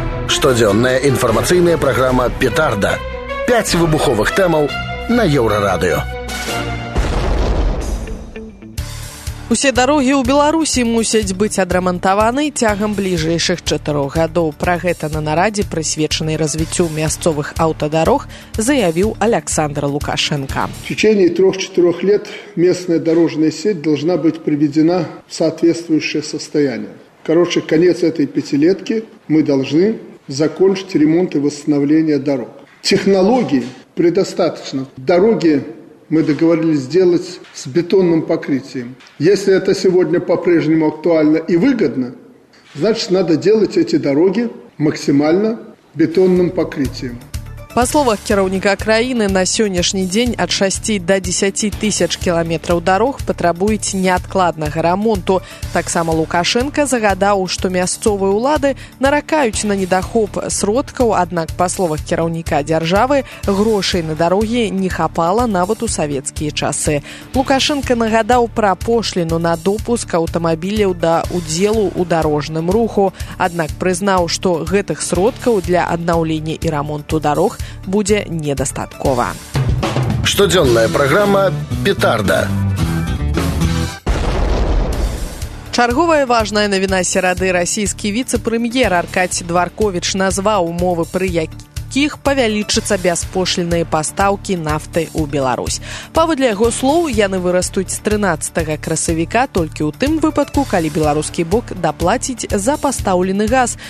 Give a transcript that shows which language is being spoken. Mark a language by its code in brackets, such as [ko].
[be] Штодзённая інфармацыйная праграма «Петарда». 5 выбуховых тэмаў на Еўрарадыё. Усе дарогі ў Беларусі мусяць быць адрамантаваны цягам бліжэйшых 4 гадоў. Пра гэта на нарадзе, прысвечанай развіццю мясцовых аўтадарог, заявіў Александр Лукашенко. [ru] В течение 3-4 лет местная дорожная сеть должна быть приведена в соответствующее состояние. Короче, конец этой пятилетки мы должны закончить ремонт и восстановление дорог. Технологий предостаточно. Дороги мы договорились сделать с бетонным покрытием. Если это сегодня по-прежнему актуально и выгодно, значит, надо делать эти дороги максимально бетонным покрытием. [be] Па словах кіраўніка краіны, на сённяшні дзень ад 6 да 10 тысяч кіламетраў дарог патрабуюць неадкладнага рамонту. Таксама Лукашэнка загадаў, што мясцовыя ўлады наракаюць на недахоп сродкаў, аднак, па словах кіраўніка дзяржавы, грошай на дарогі не хапала нават у савецкія часы. Лукашэнка нагадаў пра пошліну на допуск аўтамабіляў да ўдзелу ў дарожным руху, аднак прызнаў, што гэтых сродкаў для аднаўлення і рамонту дарог будзе недастаткова. Штодзённая праграма «Петарда». Чарговая важная навіна серады. Расійскі віцэ-прэм'ер Аркадзь Дваркович назваў умовы, пры якіх павялічацца бяспошлінныя пастаўкі нафты ў Беларусь. Паводле яго слоў, яны вырастуць з 13 красавіка толькі ў тым выпадку, калі беларускі бок даплаціць за пастаўлены газ.